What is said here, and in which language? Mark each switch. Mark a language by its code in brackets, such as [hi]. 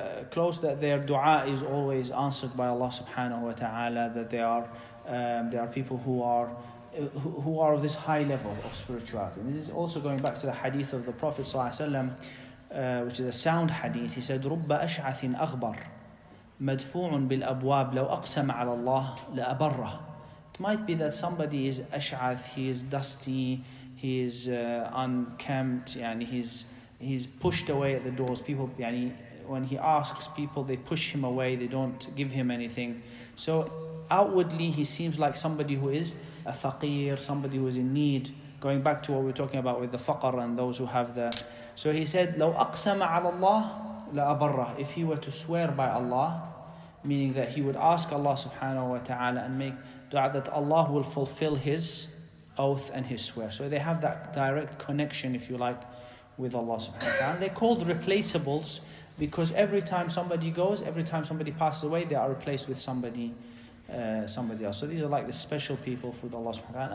[en] close, that their dua is always answered by Allah subhanahu wa ta'ala, that they are people who are of this high level of spirituality. And this is also going back to the hadith of the Prophet sallallahu alaihi wasallam, which is a sound hadith. He said, [ar] رُبَّ أَشْعَثٍ أَغْبَرْ مَدْفُوعٌ بِالْأَبْوَابِ لَوْ أَقْسَمَ عَلَى اللَّهِ لَأَبَرَّهِ. [en] Might be that somebody is ash'ath, he is dusty, he is unkempt, and he's pushed away at the doors. People, yani, when he asks people, they push him away, they don't give him anything. So outwardly, he seems like somebody who is a faqir, somebody who is in need. Going back to what we're talking about with the faqr and those who have the... So he said, [ar] لو أقسم على الله لأبره. [en] If he were to swear by Allah, meaning that he would ask Allah subhanahu wa ta'ala and make dua that Allah will fulfill his oath and his swear. So they have that direct connection, if you like, with Allah subhanahu wa ta'ala. And they're called replaceables because every time somebody goes, every time somebody passes away, they are replaced with somebody else. So these are like the special people for Allah subhanahu wa ta'ala.